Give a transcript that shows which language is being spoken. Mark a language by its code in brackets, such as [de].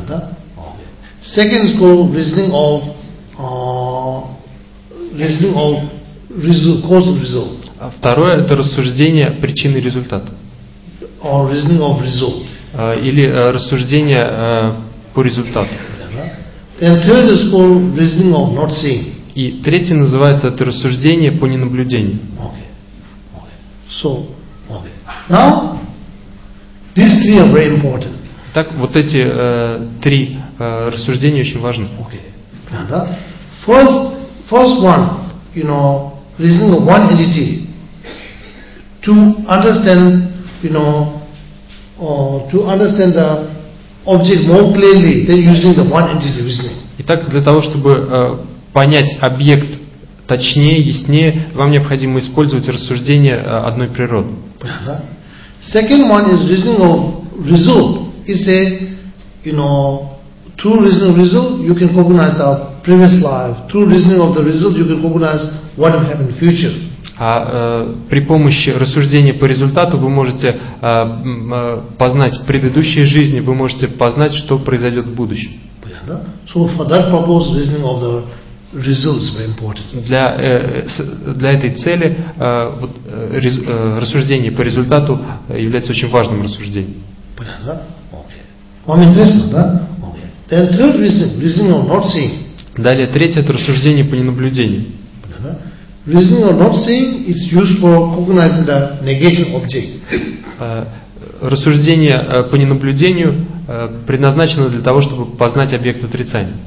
[ru] Да? [en] Second school reasoning of cause-result. [ru] Второе это рассуждение причины и результата. [en] Or reasoning of result. [ru] Или рассуждение по результату. [en] And third is called reasoning of not seeing. [ru] И третье называется это рассуждение по ненаблюдению. [en] Okay. So, okay. Now, these three are very important. [ru] Так вот эти три рассуждения очень важны. [en] Okay. [ru] Да? [en] First one, you know, reasoning of one entity to understand, you know, to understand the object more clearly than using the one entity reasoning. [ru] Итак, для того, чтобы понять объект точнее, яснее, вам необходимо использовать рассуждение одной природы. [en] Second one is reasoning of result. It's a, you know, through reasoning of result, you can cognize the previous life. Through reasoning of the result, you can cognize what will happen in the future. [ru] А при помощи рассуждения по результату вы можете познать предыдущие жизни, вы можете познать, что произойдет в будущем. [en] So for that purpose, reasoning of the results very important. [ru] Для этой цели рассуждение по результату является очень важным рассуждением. Понятно? Вам интересно, да? [en] Then third reasoning of not seeing. [ru] Далее третье — это рассуждение по ненаблюдению. [en] Reasoning of not seeing is used for cognizing the negation object. [ru] Рассуждение по ненаблюдению предназначено для того, чтобы познать объект отрицания.